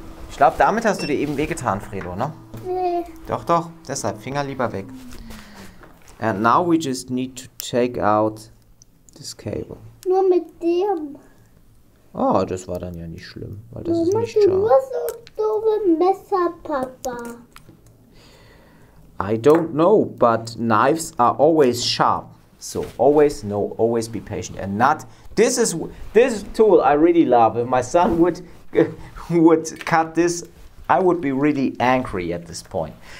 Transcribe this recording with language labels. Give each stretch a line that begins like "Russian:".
German: Ich glaube, damit hast du dir eben wehgetan, Fredo, ne? Nee. Doch, doch. Deshalb Finger lieber weg.
English: And now we just need to take out this cable.
German: Nur mit dem. Oh, das war dann ja nicht schlimm, weil das Mama, ist nicht scharf. Du musst so doofe Messer, Papa.
English: I don't know, but knives are always sharp. So always know, always be patient and not. This tool I really love. If my son would cut this, I would be really angry at this point.